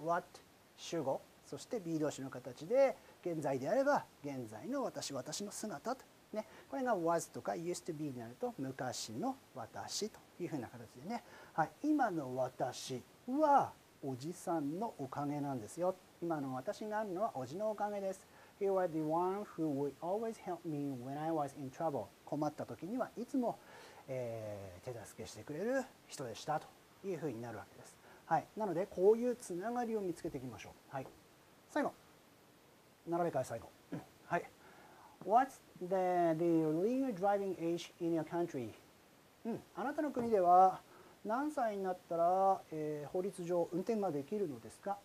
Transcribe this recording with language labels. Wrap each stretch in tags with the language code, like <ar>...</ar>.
<ja>What 主語、そして B 動詞の形で、現在であれば現在の私、私の姿と、ね、これが Was とか Used to be になると昔の私というふうな形でね、はい、今の私はおじさんのおかげなんですよ。今の私があるのはおじのおかげです。</ja> <en>He was the one who would always help me when I was in trouble.</en> <ja>困った時にはいつも、手助けしてくれる人でしたというふうになるわけです。はい、なのでこういうつながりを見つけていきましょう。はい、最後、並べ替え最後。はい、</ja> <en>What's the legal driving age in your country?、</en> <ja>うん、あなたの国では何歳になったら、法律上運転ができるのですか。</ja>